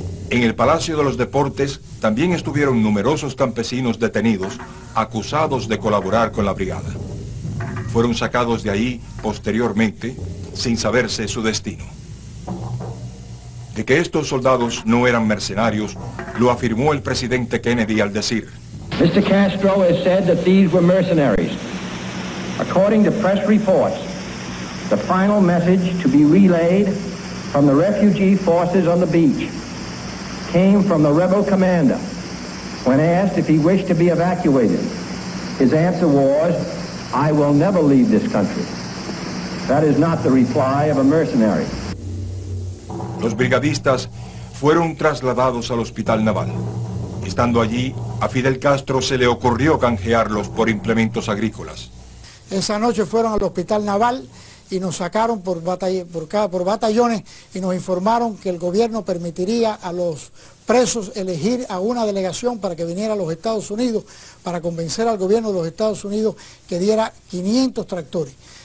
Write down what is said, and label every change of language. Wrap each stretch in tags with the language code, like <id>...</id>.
<es>En el Palacio de los Deportes también estuvieron numerosos campesinos detenidos, acusados de colaborar con la brigada. Fueron sacados de ahí posteriormente, sin saberse su destino. De que estos soldados no eran mercenarios, lo afirmó el presidente Kennedy al decir:</es> <en>Mr. Castro has said that these were mercenaries. According to press reports, the final message to be relayed from the refugee forces on the beach came from the rebel commander. When asked if he wished to be evacuated, his answer was, I will never leave this country. That is not the reply of a mercenary.</en> <es>Los brigadistas fueron trasladados al hospital naval. Estando allí, a Fidel Castro se le ocurrió canjearlos por implementos agrícolas. Esa noche fueron al hospital naval y nos sacaron por batallones y nos informaron que el gobierno permitiría a los presos elegir a una delegación para que viniera a los Estados Unidos para convencer al gobierno de los Estados Unidos que diera 500 tractores.</es>